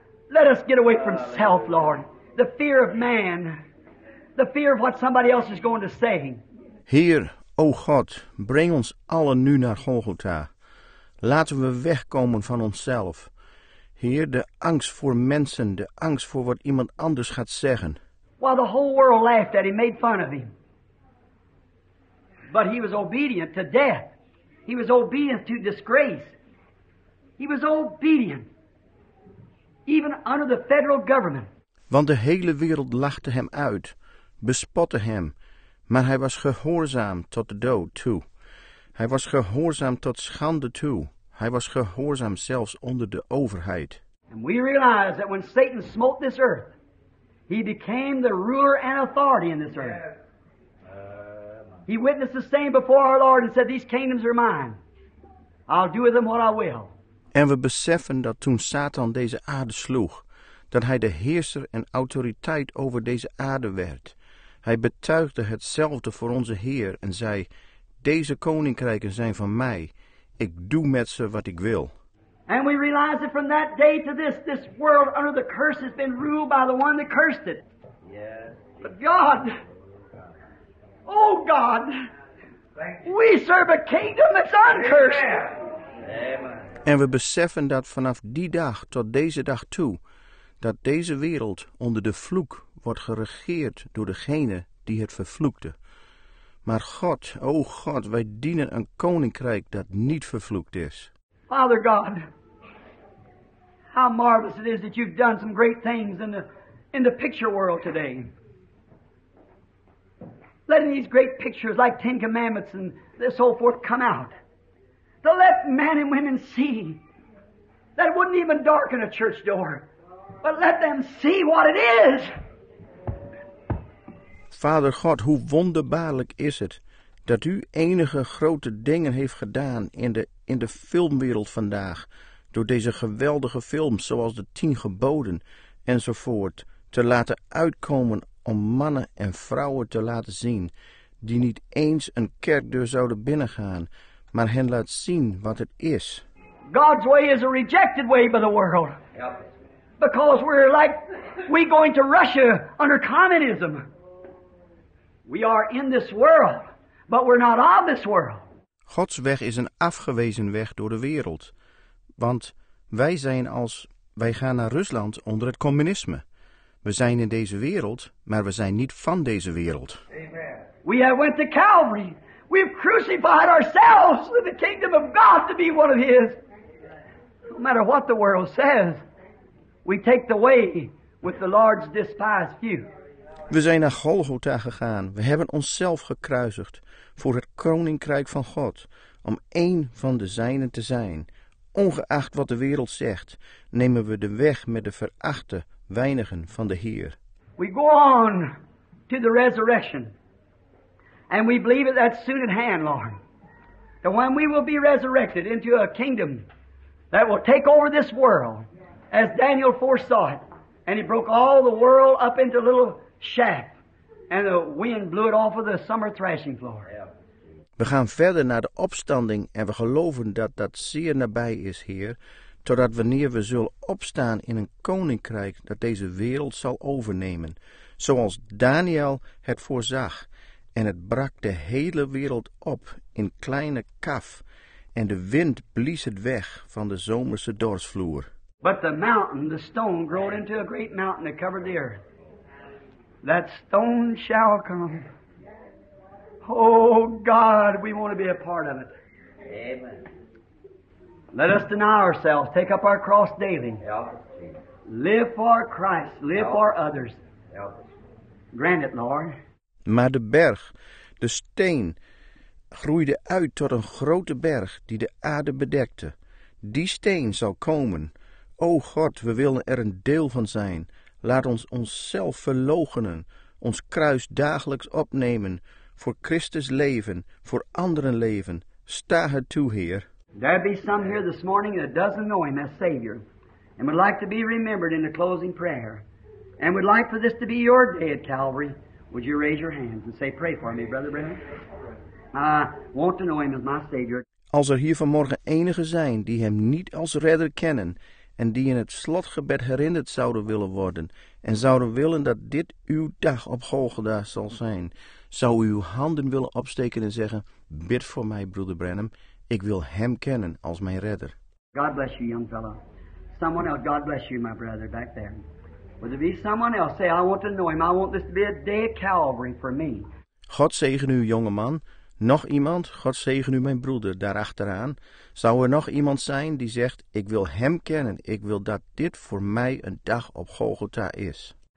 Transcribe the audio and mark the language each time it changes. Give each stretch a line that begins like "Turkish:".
English: Let us get away from self, Lord. The fear of man. The fear of what somebody else is going to say.
Dutch: Heer, o God, breng ons allen nu naar Golgotha. Laten we wegkomen van onszelf. Heer, de angst voor mensen, de angst voor wat iemand anders gaat zeggen.
English: While the whole world laughed at him, made fun of him. But he was obedient to death. He was obedient to disgrace. He was obedient. Even under the federal government.
Dutch: Want de hele wereld lachte hem uit, bespotte hem. Maar hij was gehoorzaam tot de dood toe. Hij was gehoorzaam tot schande toe. Hij was gehoorzaam zelfs onder de overheid.
English: And we realize that when Satan smote this earth, he became the ruler and authority in this earth. He witnessed the same before our Lord and said, these kingdoms are mine. I'll do with them what I will.
Dutch: En we beseffen dat toen Satan deze aarde sloeg, dat hij de heerser en autoriteit over deze aarde werd. Hij betuigde hetzelfde voor onze Heer en zei, deze koninkrijken zijn van mij. Ik doe met ze wat ik wil.
English: And we realize that from that day to this world under the curse has been ruled by the one that cursed it. Yes. But God, oh God, we serve a kingdom that's uncursed. Amen.
Dutch: En we beseffen dat vanaf die dag tot deze dag toe, dat deze wereld onder de vloek wordt geregeerd door degene die het vervloekte. Maar God, o God, wij dienen een koninkrijk dat niet vervloekt is.
English: Father God, how marvelous it is that you've done some great things in the picture world today. Letting these great pictures like Ten Commandments and this whole forth come out. To let men and women see that it wouldn't even darken a church door. But let them see what it is.
Dutch: Vader God, hoe wonderbaarlijk is het dat u enige grote dingen heeft gedaan in de filmwereld vandaag. Door deze geweldige films zoals de 10 geboden enzovoort te laten uitkomen om mannen en vrouwen te laten zien. Die niet eens een kerkdeur zouden binnengaan, maar hen laat zien wat het is.
English: God's way is a rejected way by the world. Yep. Because we're like, we going to Russia under communism. We are in this world, but we're not of this world.
Dutch: Gods weg is een afgewezen weg door de wereld. Want wij zijn als, wij gaan naar Rusland onder het communisme. We zijn in deze wereld, maar we zijn niet van deze wereld.
English: Amen. We have went to Calvary. We have crucified ourselves with the kingdom of God to be one of his. No matter what the world says, we take the way with the Lord's despised few.
Dutch: We zijn naar Golgotha gegaan. We hebben onszelf gekruisigd voor het koninkrijk van God, om één van de zijnen te zijn. Ongeacht wat de wereld zegt, nemen we de weg met de verachte weinigen van de Heer.
English: We go on to the resurrection. And we believe it that's soon at hand, Lord. That when we will be resurrected into a kingdom that will take over this world, as Daniel foresaw it, and he broke all the world up into a little shaft, and the wind blew it off of the summer threshing floor.
Dutch: We gaan verder naar de opstanding en we geloven dat dat zeer nabij is, Heer, totdat wanneer we zullen opstaan in een koninkrijk dat deze wereld zal overnemen, zoals Daniel het voorzag. En het brak de hele wereld op in kleine kaf, en de wind blies het weg van de zomerse dorsvloer.
English: But the mountain, the stone, growed into a great mountain that covered the earth. That stone shall come. Oh God, we want to be a part of it. Amen. Let us deny ourselves, take up our cross daily. Live for Christ, live for others. Grant it, Lord.
Dutch: Maar de berg, de steen, groeide uit tot een grote berg die de aarde bedekte. Die steen zal komen. O God, we willen er een deel van zijn. Laat ons onszelf verloochenen, ons kruis dagelijks opnemen, voor Christus leven, voor anderen leven. Sta het toe, Heer.
English: There be some here this morning that doesn't know him as Savior, and would like to be remembered in the closing prayer, and would like for this to be your day at Calvary. Would you raise your hands and say, pray for me, Brother Branham. I want to know him as my Savior.
Dutch: Als er hier vanmorgen enigen zijn die hem niet als redder kennen en die in het slotgebed herinnerd zouden willen worden en zouden willen dat dit uw dag op Golgotha zal zijn, zou u uw handen willen opsteken en zeggen, bid voor mij, Brother Branham. Ik wil hem kennen als mijn redder.
English: God bless you, young fellow. Someone else, God bless you, my brother, back there. Would there be someone else? Say, I want to know him. I want this to be a day of Calvary for me.
Dutch: God zegen u, jonge man. Nog iemand? God zegen u, mijn broeder, daarachteraan. Zou er nog iemand zijn die zegt, ik wil hem kennen. Ik wil dat dit voor mij een dag op Golgotha is.